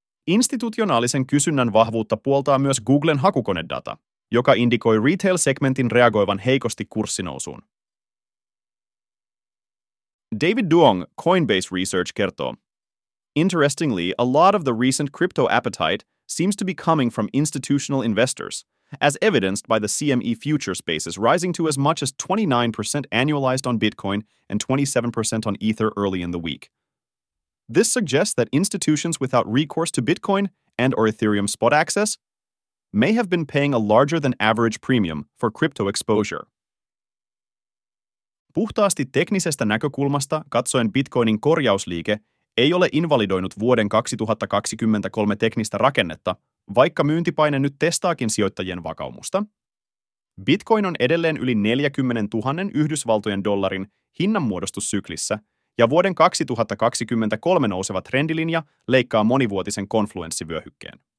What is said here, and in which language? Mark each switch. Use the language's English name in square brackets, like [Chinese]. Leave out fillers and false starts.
[Finnish] Institutionaalisen kysynnän vahvuutta puoltaa myös Googlen hakukonedata, joka indikoi retail-segmentin reagoivan heikosti kurssinousuun. [English] David Duong, Coinbase Research, kertoo: "Interestingly, a lot of the recent crypto appetite seems to be coming from institutional investors, as evidenced by the CME futures basis rising to as much as 29% annualized on Bitcoin and 27% on Ether early in the week. This suggests that institutions without recourse to Bitcoin and or Ethereum spot access may have been paying a larger than average premium for crypto exposure." [Finnish] Puhtaasti teknisestä näkökulmasta katsoen Bitcoinin korjausliike ei ole invalidoinut vuoden 2023 teknistä rakennetta, vaikka myyntipaine nyt testaakin sijoittajien vakaumusta. Bitcoin on edelleen yli 40 000 Yhdysvaltojen dollarin hinnanmuodostussyklissä, ja vuoden 2023 nouseva trendilinja leikkaa monivuotisen konfluenssivyöhykkeen.